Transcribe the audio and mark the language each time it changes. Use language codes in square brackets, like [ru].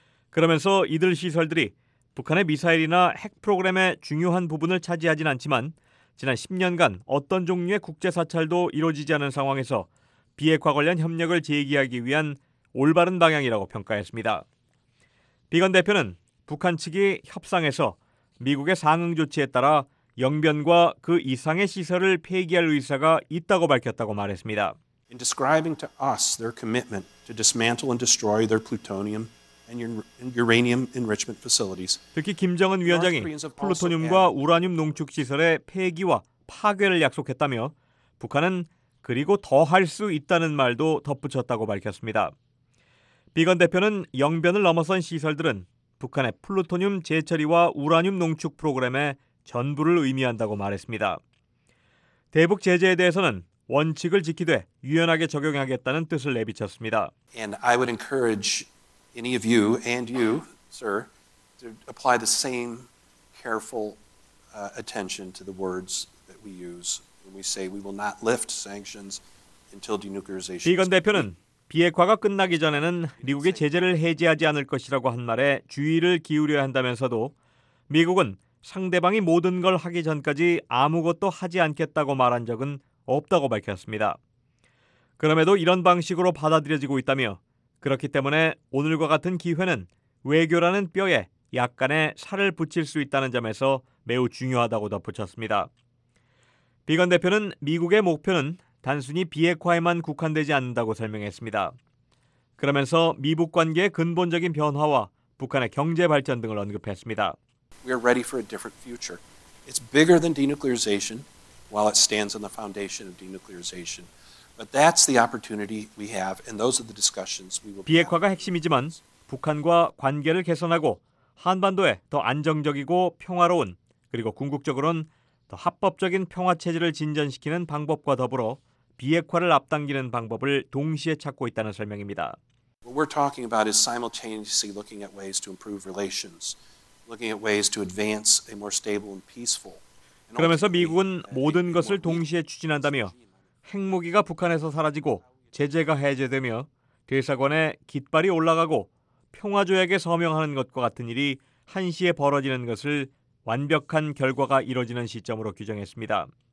[ko] 그러면서 이들 시설들이 북한의 미사일이나 핵 프로그램의 중요한 부분을 차지하진 않지만 지난 10년간 어떤 종류의 국제사찰도 이루어지지 않은 상황에서 비핵화 관련 협력을 제기하기 위한 올바른 방향이라고 평가했습니다. 비건 대표는 북한 측이 협상에서 미국의 상응 조치에 따라 영변과 그 이상의 시설을 폐기할 의사가 있다고 밝혔다고 말했습니다. [en] In describing to us their commitment to dismantle and destroy their plutonium and uranium enrichment facilities. [ko] 특히 김정은 위원장이 플루토늄과 우라늄 농축 시설의 폐기와 파괴를 약속했다며 북한은 그리고 더 할 수 있다는 말도 덧붙였다고 밝혔습니다. 비건 대표는 영변을 넘어선 시설들은 북한의 플루토늄 재처리와 우라늄 농축 프로그램에 전부를 의미한다고 말했습니다. 대북 제재에 대해서는 원칙을 지키되 유연하게 적용하겠다는 뜻을 내비쳤습니다. [en] And I would encourage any of you and you, sir, to apply the same careful attention to the words that we use when we say we will not lift sanctions until denuclearization. [ko] 비건 대표는 비핵화가 끝나기 전에는 미국의 제재를 해제하지 않을 것이라고 한 말에 주의를 기울여야 한다면서도 미국은 상대방이 모든 걸 하기 전까지 아무것도 하지 않겠다고 말한 적은 없다고 밝혔습니다. 그럼에도 이런 방식으로 받아들여지고 있다며 그렇기 때문에 오늘과 같은 기회는 외교라는 뼈에 약간의 살을 붙일 수 있다는 점에서 매우 중요하다고 덧붙였습니다. 비건 대표는 미국의 목표는 단순히 비핵화에만 국한되지 않는다고 설명했습니다. 그러면서 미북 관계의 근본적인 변화와 북한의 경제 발전 등을 언급했습니다. [en] We are ready for a different future. It's bigger than denuclearization while it stands on the foundation of denuclearization. But that's the opportunity we have and those are the discussions we will be. [ko] 비핵화가 핵심이지만 북한과 관계를 개선하고 한반도에 더 안정적이고 평화로운 그리고 궁극적으로는 더 합법적인 평화 체제를 진전시키는 방법과 더불어 비핵화를 앞당기는 방법을 동시에 찾고 있다는 설명입니다. [en] What we're talking about is simultaneously looking at ways to improve relations. Looking at ways to advance a more stable and peaceful. [ko] 그러면서 미국은 모든 것을 동시에 추진한다며 핵무기가 북한에서 사라지고 제재가 해제되며 대사관에 깃발이 올라가고 평화조약에 서명하는 것과 같은 일이 한시에 벌어지는 것을 완벽한 결과가 이뤄지는 시점으로 규정했습니다.